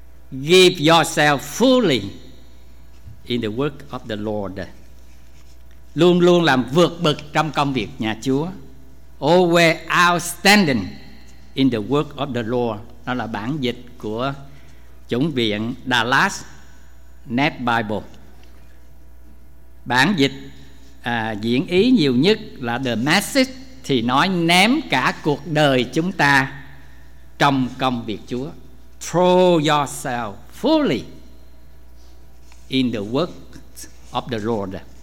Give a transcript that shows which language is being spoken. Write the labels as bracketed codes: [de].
[en] Give yourself fully in the work of the Lord. [vi] Luôn luôn làm vượt bậc trong công việc nhà Chúa. [en] Always outstanding in the work of the Lord. [vi] Đó là bản dịch của chủng viện Dallas Net Bible. Bản dịch diễn ý nhiều nhất là The Message thì nói ném cả cuộc đời chúng ta trong công việc Chúa. [en] Throw yourself fully in the work of the Lord.